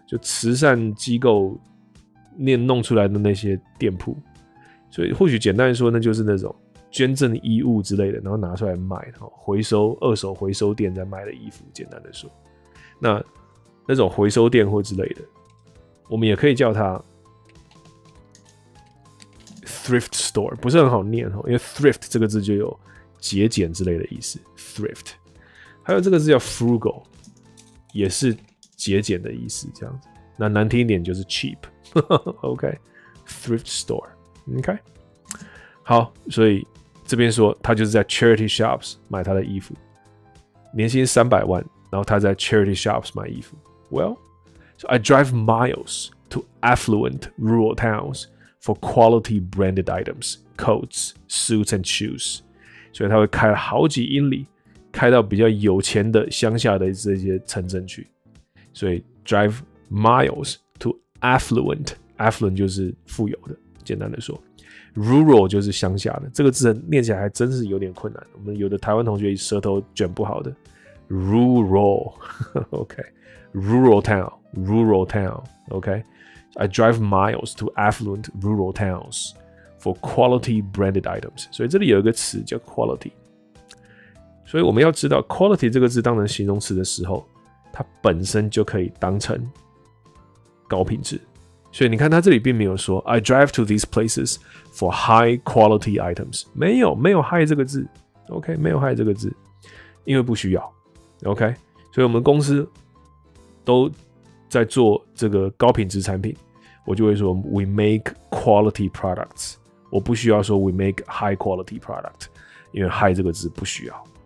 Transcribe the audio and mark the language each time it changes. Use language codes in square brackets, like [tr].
[zh] 就慈善机构念弄出来的那些店铺。所以或许简单说，那就是那种捐赠衣物之类的，然后拿出来卖，回收二手回收店在卖的衣服，简单的说。那种回收店或之类的，我们也可以叫它 thrift store， 不是很好念，因为 thrift 这个字就有节俭之类的意思。 thrift 还有这个字叫 frugal， 也是节俭的意思。这样子，那难听一点就是 cheap。OK， thrift store。 OK， 好，所以这边说他就是在 charity shops 买他的衣服，年薪300万，然后他在 charity shops 买衣服。 [en] Well, so I drive miles to affluent rural towns for quality branded items, coats, suits, and shoes. [zh] 所以他会开了好几英里，开到比较有钱的乡下的这些城镇去。所以 [en] drive miles to affluent, [zh] affluent 就是富有的，简单的说。 Rural 就是乡下的，这个字念起来还真是有点困难。我们有的台湾同学舌头卷不好的。 [en] Rural, OK. Rural town, rural town, okay? I drive miles to affluent rural towns for quality branded items. [zh] 所以这里有一个词叫 quality. 所以我们要知道 quality 这个字当成形容词的时候，它本身就可以当成高品质。所以你看它这里并没有说 [en] I drive to these places for high quality items. [zh] 没有，没有 high 这个字， okay? 没有 high 这个字，因为不需要， okay? 所以我们公司都在做这个高品质产品，我就会说 [en] we make quality products。 [zh] 我不需要说 [en] we make high quality product， [zh] 因为 high 这个字不需要。